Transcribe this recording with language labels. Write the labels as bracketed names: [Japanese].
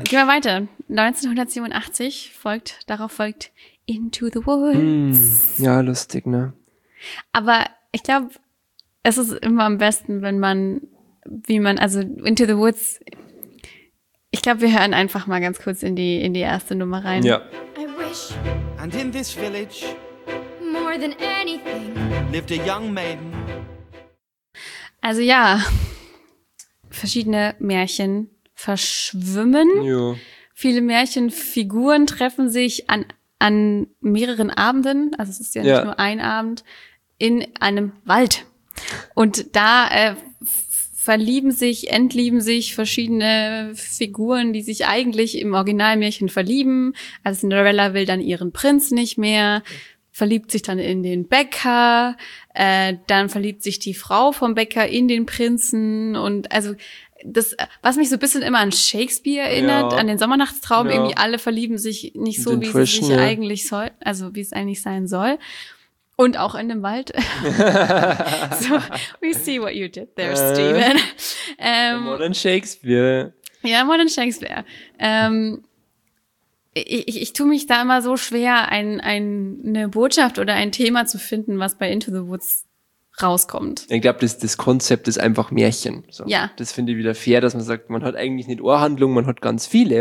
[German] Gehen wir weiter. 1987 folgt Into the Woods. Hm, ja, lustig, ne? Aber ich glaube, es ist immer am besten, wenn man, Into the Woods, ich glaube, wir hören einfach mal ganz kurz in die erste Nummer rein. Ja. [English] I wish, and in this village, more than anything, lived a young maiden. [German] Also ja, verschiedene Märchen verschwimmen. Jo. Viele Märchenfiguren treffen sich an mehreren Abenden, also es ist ja nicht nur ein Abend, in einem Wald. Und da entlieben sich verschiedene Figuren, die sich eigentlich im Originalmärchen verlieben. Also Cinderella will dann ihren Prinz nicht mehr, verliebt sich dann in den Bäcker, dann verliebt sich die Frau vom Bäcker in den Prinzen und also das, was mich so ein bisschen immer an Shakespeare erinnert, an den Sommernachtstraum, irgendwie alle verlieben sich nicht so, wie sie sich eigentlich soll, also wie es eigentlich sein soll. Und auch in dem Wald. [English] So, we see what you did there, Steven. Modern Shakespeare. [German] Ja, Modern Shakespeare. Ich tue mich da immer so schwer, eine Botschaft oder ein Thema zu finden, was bei Into the Woods rauskommt. Ich glaube, das Konzept ist einfach Märchen. So. Ja. Das finde ich wieder fair, dass man sagt, man hat eigentlich nicht Ohrhandlungen, man hat ganz viele.